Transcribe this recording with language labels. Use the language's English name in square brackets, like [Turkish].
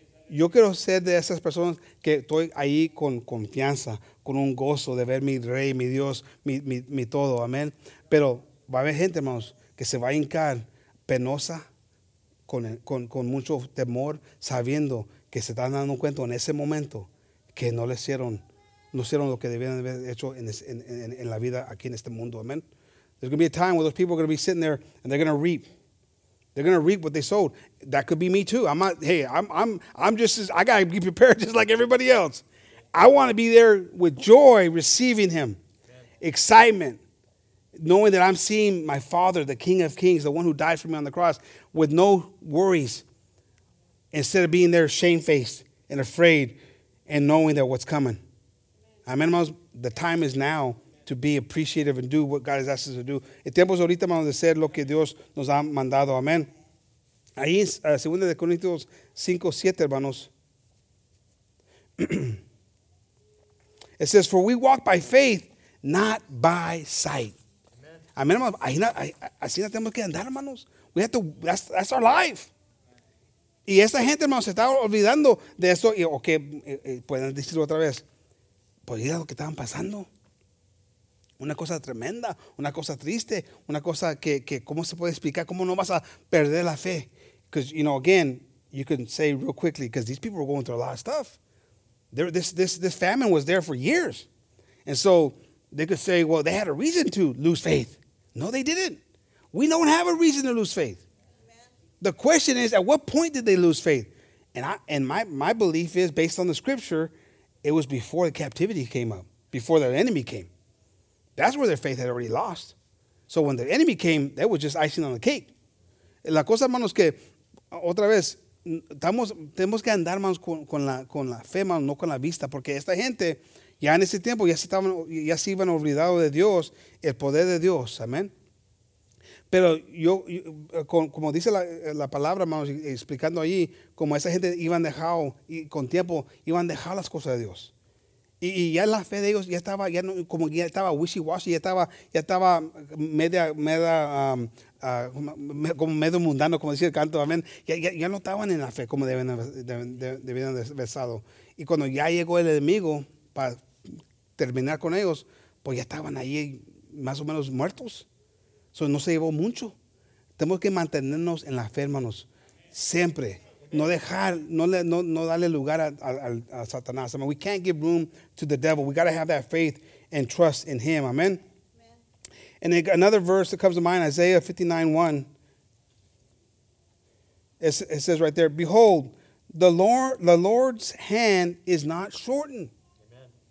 [Spanish] Yo quiero ser de esas personas que estoy ahí con confianza, con un gozo de ver mi rey, mi Dios, mi todo, amén. Pero va a haber gente, hermanos, que se va a hincar penosa, con mucho temor, sabiendo que se están dando cuenta en ese momento que no hicieron lo que debían haber hecho en la vida aquí en este mundo, amén. [English] There's going to be a time where those people are going to be sitting there and they're going to reap. They're going to reap what they sowed. That could be me too. I got to be prepared just like everybody else. I want to be there with joy receiving him. Amen. Excitement. Knowing that I'm seeing my Father, the King of Kings, the one who died for me on the cross, with no worries. Instead of being there shamefaced and afraid and knowing that what's coming. Amen, hermanos. The time is now to be appreciative and do what God has asked us to do. [Spanish] El tiempo es ahorita, hermanos, de hacer lo que Dios nos ha mandado. Amen. Ahí, 2 Corintios 5:7, hermanos. [English] It says, for we walk by faith, not by sight. [Spanish] Amen, hermanos. Así no tenemos que andar, hermanos. [English] We have to, that's our life. [Spanish] Y esta gente, hermanos, se está olvidando de eso. Pueden decirlo otra vez. Pues mira lo que estaban pasando. Una cosa tremenda, una cosa triste, una cosa que ¿cómo se puede explicar? ¿Cómo no vas a perder la fe? [English] Because, you know, again, you can say real quickly, because these people were going through a lot of stuff. This famine was there for years. And so they could say, well, they had a reason to lose faith. No, they didn't. We don't have a reason to lose faith. Amen. The question is, at what point did they lose faith? And my belief is, based on the scripture, it was before the captivity came up, before their enemy came. That's where their faith had already lost. So when the enemy came, that was just icing on the cake. [Spanish] La cosa, hermanos, que otra vez, tenemos que andar, hermanos, con la fe, hermanos, no con la vista, porque esta gente ya en ese tiempo ya se iban olvidado de Dios, el poder de Dios, amén. Pero como dice la palabra, hermanos, explicando ahí, como esa gente iban dejado, y con tiempo iban dejado las cosas de Dios. Y ya la fe de ellos ya estaba, ya no, como ya estaba wishy-washy, ya estaba medio mundano, como decía el canto, amén. Ya no estaban en la fe como debían haber estado. Y cuando ya llegó el enemigo para terminar con ellos, pues ya estaban ahí más o menos muertos. So, no se llevó mucho. Tenemos que mantenernos en la fe, hermanos, siempre. No dejar, no darle lugar a Satanás. [English] I mean, we can't give room to the devil. We got to have that faith and trust in him. Amen. And another verse that comes to mind, Isaiah 59:1. It says right there, behold, the Lord's hand is not shortened. Amen.